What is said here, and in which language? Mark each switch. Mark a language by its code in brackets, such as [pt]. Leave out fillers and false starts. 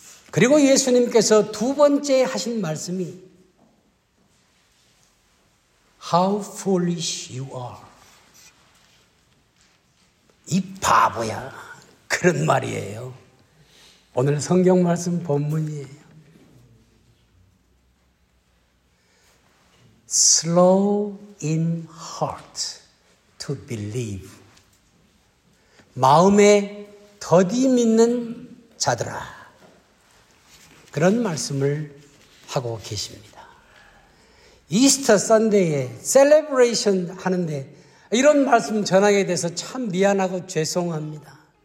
[ko] 그리고 예수님께서 두 번째 하신 말씀이 How foolish you are. 이 바보야. 그런 말이에요. 오늘 성경 말씀 본문이에요. [en] Slow in heart to believe. [ko] 마음에 더디 믿는 자들아. 그런 말씀을 하고 계십니다. 이스터 선데이에 셀레브레이션 하는데 이런 말씀 전하게 돼서 참 미안하고 죄송합니다.